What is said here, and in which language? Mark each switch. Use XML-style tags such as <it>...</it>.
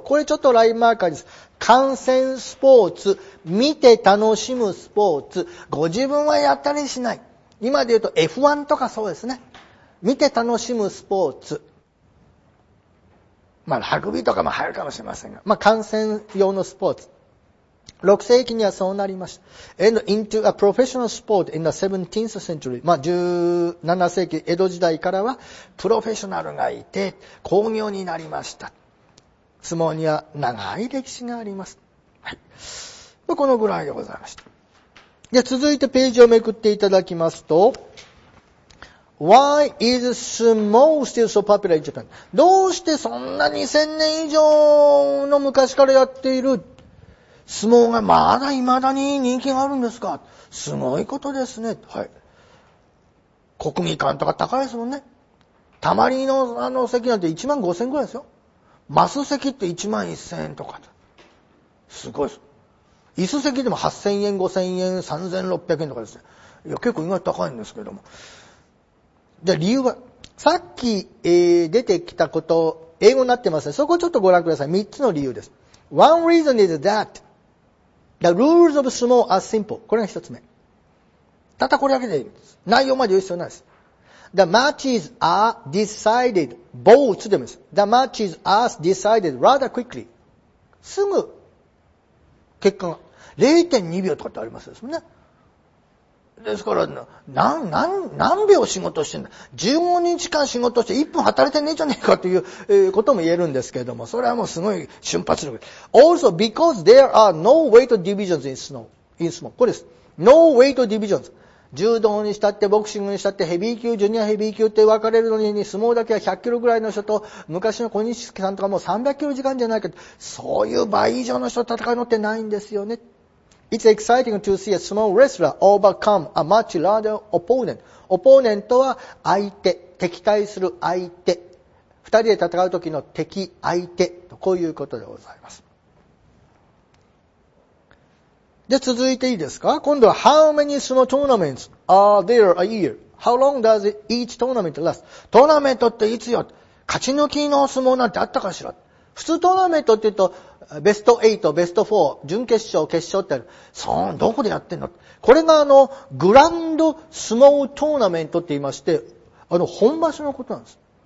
<ja>これちょっとラインマーカーです。観戦スポーツ、見て楽しむスポーツ、ご自分はやったりしない。今で言うと F1 とかそうですね。見て楽しむスポーツ。まあ、ラグビーとかも入るかもしれませんが。まあ、観戦用のスポーツ。6世紀にはそうなりました。</ja> <en>And into a professional sport in the 17th century.</en> <ja>まあ、17世紀、江戸時代からは、プロフェッショナルがいて、興行になりました。相撲には長い歴史があります。はい。まあ、このぐらいでございました。で、続いてページをめくっていただきますと、</ja> <en>Why is sumo still so popular in Japan?</en> <ja>どうしてそんな2000年以上の昔からやっている相撲がまだ未だに人気があるんですか？すごいことですね。はい。国技館とか高いですもんね。たまりのあの席なんて1万5千ぐらいですよ。マス席って1万1千円とか。すごいです。椅子席でも8千円、5千円、3千600円とかですね。いや、結構意外と高いんですけども。じゃあ理由は、さっき、出てきたこと、英語になってますね。そこをちょっとご覧ください。 3つの理由です。</ja> <en>One reason is that the rules of sumo are simple.</en> <ja>これが一つ目。ただこれだけでいいです。内容まで言う必要ないです。</ja> <en>The matches are decided, both</en> <ja>でもいいです。</ja> <en>The matches are decided rather quickly.</en> <ja>すぐ、結果が 0.2 秒とかってありますよね。ですから、何秒仕事してんだ。15日間仕事して1分働いてねえじゃねえかということも言えるんですけれども、それはもうすごい瞬発力。</ja> <en>Also, because there are no weight divisions in small.</en> <ja>これです。</ja> <en>No weight divisions.</en> <ja>柔道にしたって、ボクシングにしたって、ヘビー級、ジュニアヘビー級って分かれるのに、相撲だけは100キロぐらいの人と、昔の小西さんとかもう300キロ時間じゃないけど、そういう倍以上の人と戦うのってないんですよね。</ja> <en>It's exciting to see a small wrestler overcome a much larger opponent.</en> <ja>オポーネントは相手、敵対する相手。二人で戦う時の敵、相手。とこういうことでございます。で、続いていいですか？今度は</ja> <en>How many small tournaments are there a year? How long does each tournament last?</en> <ja>トーナメントっていつよ？勝ち抜きの相撲なんてあったかしら？普通トーナメントって言うと、ベスト8、ベスト4、準決勝、決勝ってある。そう、どこでやってんの？これがグランドスモートーナメントって言いまして、本場所のことなんです。</ja>